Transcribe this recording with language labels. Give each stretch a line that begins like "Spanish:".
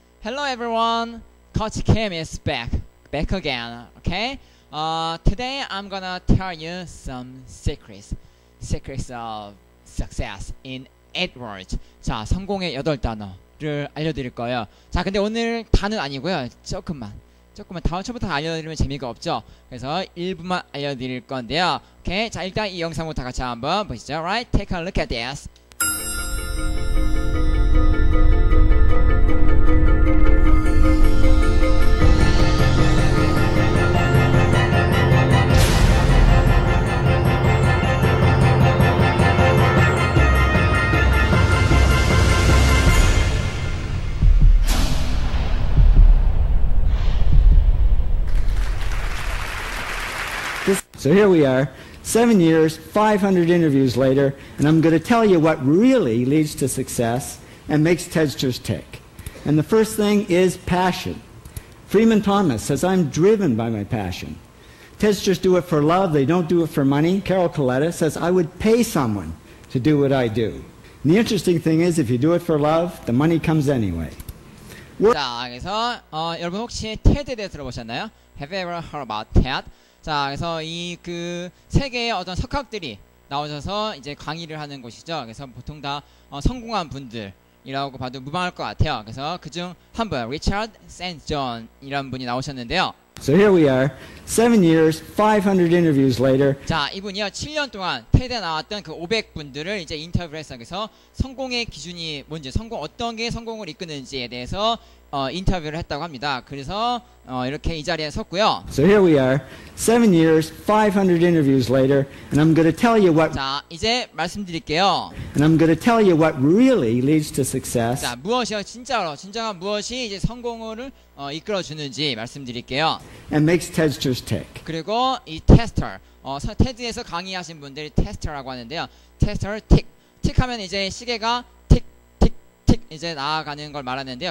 English: Hello everyone, Coach Kim is back again, okay? Today I'm gonna tell you some secrets of success in AdWords.
Korean: 자, 성공의 8단어를 알려드릴 거예요. 자, 근데 오늘 단은 아니고요. 조금만 다음 초부터 알려드리면 재미가 없죠. 그래서 1분만 알려드릴 건데요. 오케이, 자 일단 이 영상부터 같이 한번 보시죠.
English: Right, take a look at this. So here we are, 7 years, 500 interviews later, and I'm going to tell you what really leads to success and makes Tedsters tick. And the first thing is passion. Freeman Thomas says, I'm driven by my passion. Tedsters do it for love, they don't do it for money. Carol Coletta says, I would pay someone to do what I do. And the interesting thing is, if you do it for love, the money comes anyway.
Korean: 자, 그래서 여러분 혹시 TED에 대해 들어보셨나요?
English: Have you ever heard about TED?
Korean: 자, 그래서 이 그 세계의 어떤 석학들이 나오셔서 이제 강의를 하는 곳이죠. 그래서 보통 다 성공한 분들이라고 봐도 무방할 것 같아요. 그래서 그중 한 분, Richard St. John이라는 분이 나오셨는데요.
English: So here we are, 7 years, 500 interviews later.
Korean: 자, 이분이요, 7년 동안 TED에 나왔던 그 500분들을 이제 인터뷰를 했어요. 그래서 성공의 기준이 뭔지, 성공, 어떤 게 성공을 이끄는지에 대해서 인터뷰를 했다고 합니다. 그래서 이렇게 이 자리에 섰고요.
English: So here we are, 7 years, 500 interviews later, and I'm going to tell you what.
Korean: 자, 이제 말씀드릴게요.
English: And I'm going to tell you what really leads to success.
Korean: 자, 무엇이요? 진짜로, 진정한 무엇이 이제 성공을 이끌어주는지 말씀드릴게요.
English: And makes testers tick.
Korean: 그리고 이 tester, 테드에서 강의하신 분들이 tester라고 하는데요.
English: Tester tick,
Korean: tick하면 이제 시계가 이제 나아가는 걸 말하는데요.